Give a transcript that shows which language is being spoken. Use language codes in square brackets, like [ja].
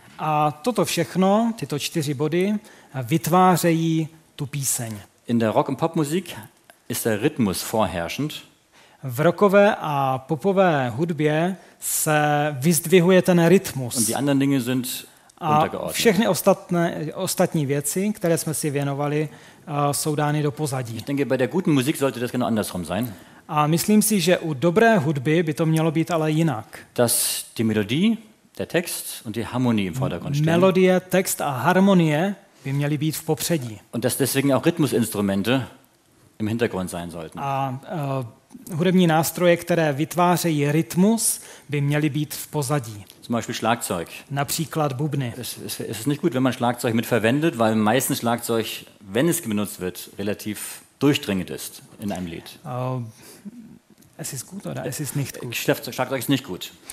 [cs] A toto všechno, tyto čtyři body, vytvářejí tu píseň. [de] In der Rock- und Popmusik ist der Rhythmus vorherrschend. [cs] V rockové a popové hudbě se vyzdvihuje ten rytmus. [de] Und die anderen Dinge sind [cs] a všechny ostatní věci, které jsme si věnovali, jsou dány do pozadí. [de] Ich denke, bei der guten Musik sollte das genau andersrum sein. [cs] A myslím si, že u dobré hudby by to mělo být ale jinak. [de] Dass die Melodie, der Text und die Harmonie im Vordergrund stehen. [cs] Melodie, text a harmonie by měly být v popředí. [de] Und dass deswegen auch Rhythmusinstrumente im Hintergrund sein sollten. [cs] A hudební nástroje, které vytvářejí rytmus, by měly být v pozadí. [de] Zum Beispiel Schlagzeug. [cs] Například bubny. [de] Es ist nicht gut, wenn man Schlagzeug mit verwendet, weil meistens Schlagzeug, wenn es benutzt wird, relativ durchdringend ist in einem Lied. Es ist gut oder es ist nicht gut? Schlagzeug ist nicht gut.